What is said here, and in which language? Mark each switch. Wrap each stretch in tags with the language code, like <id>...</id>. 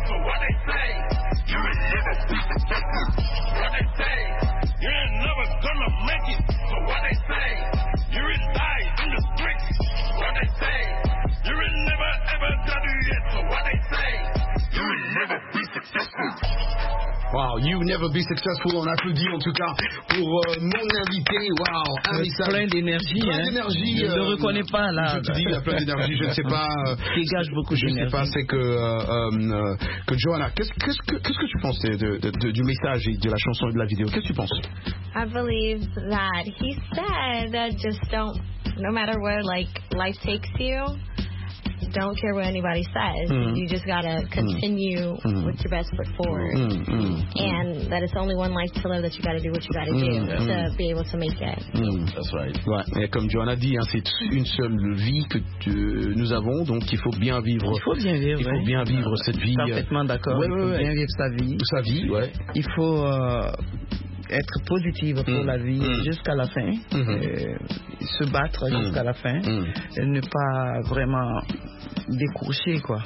<en>So what they say, you ain't never beat the. What they say, you ain't never gonna make it. So what they say, you ain't died in the streets. What they say, you ain't never ever got it yet. So what they say, you ain't never be successful. Wow, you never be successful.</en> <fr>On applaudit en tout cas pour mon invité. Wow, Arisa. Plein d'énergie. Plein d'énergie. Je ne le reconnais pas là. Je te dis, il y a plein d'énergie. Je ne sais pas. Qui gâche beaucoup d'énergie. Je ne sais pas, c'est que Johanna, qu'est-ce que tu penses du message et de la chanson et de la vidéo? Qu'est-ce que tu penses?</fr> <en>I believe that he said that just don't, no matter where like life takes you. Don't care what anybody says. Mm. You just gotta continue with your best foot forward. And that it's only one life to live, that you gotta do what you gotta do to be able to make it. That's right.</en> <fr>Ouais. Et comme Johanna dit, hein, c'est une seule vie que nous avons, donc il faut bien vivre. Il faut bien vivre. Il faut bien vivre cette vie. Parfaitement d'accord. Ouais, il faut bien vivre sa vie. Sa vie, ouais. Il faut être positive pour la vie jusqu'à la fin. Se battre jusqu'à la fin. Et ne pas vraiment décrocher, quoi.</fr>